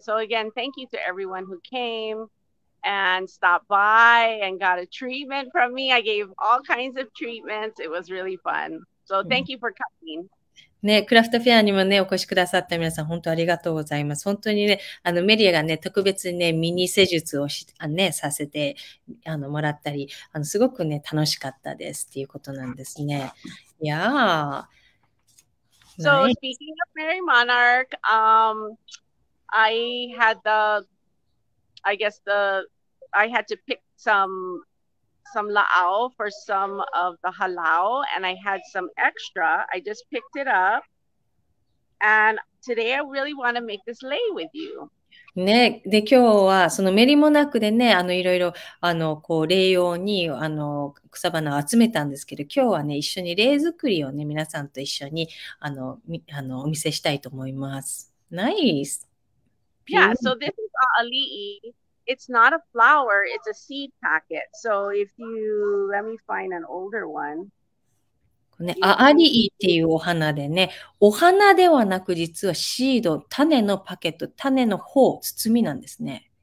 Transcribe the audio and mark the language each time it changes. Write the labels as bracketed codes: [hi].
[en] So again, thank you to everyone who came and stopped by and got a treatment from me. I gave all kinds of treatments. It was really fun. So thank you for coming. [ja] ね、クラフトフェアにもね、お越しくださった皆さん、本当ありがとうございます。本当にね、メリアがね、特別にね、ミニ施術をし、あ、ね、させて、もらったり、すごくね、楽しかったですっていうことなんですね。いやー。 [en] So, speaking of Mary Monarch, I had the, I guess the, I had to pick some la'au for some of the halau, and I had some extra. I just picked it up. And today I really want to make this lay with you. [ja] ね、で今日はそのメリモナークでね、いろいろこう礼用に草花を集めたんですけど、今日はね、一緒に礼作りをね、皆さんと一緒にお見せしたいと思います。 [en] ナイス。 Yeah, so this is a ali'i. It's not a flower, it's a seed packet. So if you let me find an older one. [ja] ね、アアリイっていうお花でね、お花ではなく実はシード、種のパケット、種の包、包みなんですね。